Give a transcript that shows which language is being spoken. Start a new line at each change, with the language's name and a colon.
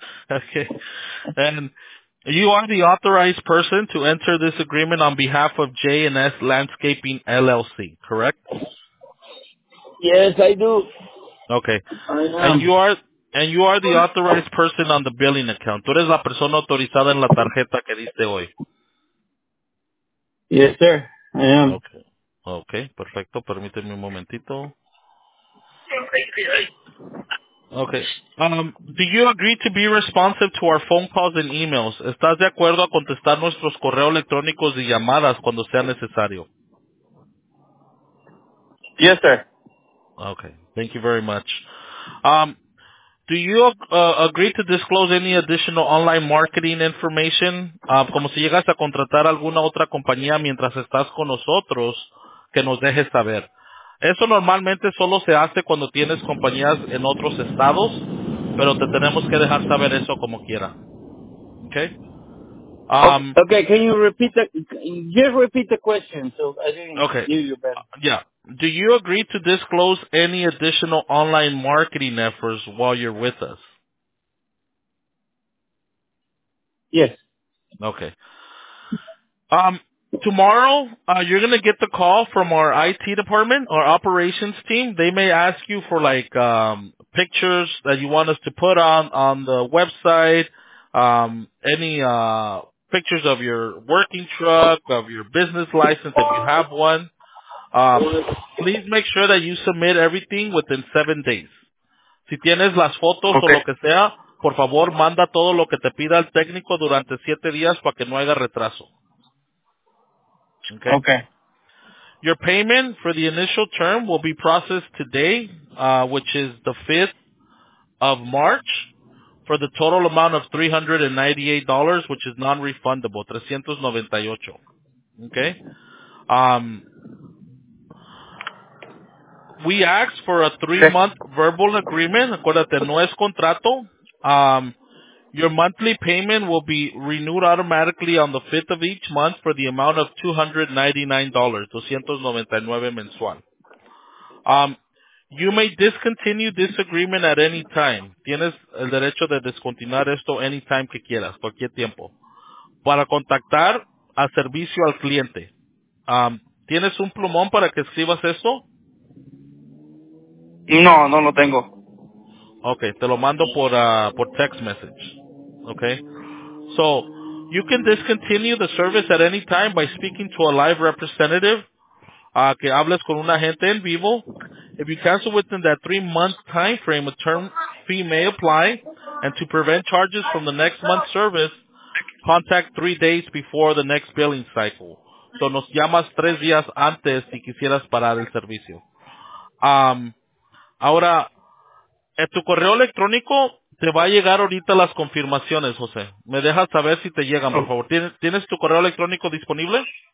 English: Okay, and you are the authorized person to enter this agreement on behalf of J&S Landscaping LLC, correct? Yes, I do. Okay. I am. And you are the authorized person on the billing account.
Spanish: Tú eres la persona autorizada en la tarjeta que diste hoy.
English: Yes, sir. I am.
Spanish: Okay, perfecto. Permíteme un momentito.
English: Okay. Do you agree to be responsive to our phone calls and emails?
Spanish: ¿Estás de acuerdo a contestar nuestros correos electrónicos y llamadas cuando sea necesario?
English: Yes, sir. Okay, thank you very much. Do you agree to disclose any additional online marketing information?
Spanish: Como si llegas a contratar alguna otra compañía mientras estás con nosotros, que nos dejes saber. Eso normalmente solo se hace cuando tienes compañías en otros estados, pero te tenemos que dejar saber eso como quiera.
English: Okay? Okay, can you repeat the question so I didn't okay. Hear you better. Yeah. Do you agree to disclose any additional online marketing efforts while you're with us? Yes. Okay. Tomorrow, you're going to get the call from our IT department, our operations team. They may ask you for, pictures that you want us to put on the website, pictures of your working truck, of your business license, if you have one. Please make sure that you submit everything within 7 days.
Spanish: Si tienes las fotos
English: okay.
Spanish: O lo que sea, por favor, manda todo lo que te pida el técnico durante 7 días para que no haya retraso.
English: Okay. Okay. Your payment for the initial term will be processed today, which is the 5th of March, for the total amount of $398, which is non-refundable, $398. Okay. We ask for a 3-month verbal agreement.
Spanish: Acuérdate, no es contrato.
English: Your monthly payment will be renewed automatically on the 5th of each month for the amount of $299, $299 mensual. You may discontinue this agreement at any time.
Spanish: Tienes el derecho de descontinuar esto anytime que quieras, cualquier tiempo. Para contactar a servicio al cliente. ¿Tienes un plumón para que escribas esto? No, no lo tengo. Okay, te lo mando por
English: text message.
Spanish: Okay?
English: So, you can discontinue the service at any time by speaking to a live representative.
Spanish: Que hables con un agente en vivo.
English: If you cancel within that 3-month time frame, a term fee may apply. And to prevent charges from the next month's service, contact 3 days before the next billing cycle.
Spanish: So nos llamas 3 días antes si quisieras parar el servicio. Ahora, en tu correo electrónico te va a llegar ahorita las confirmaciones, José. Me dejas saber si te llegan, por favor. ¿Tienes tu correo electrónico disponible?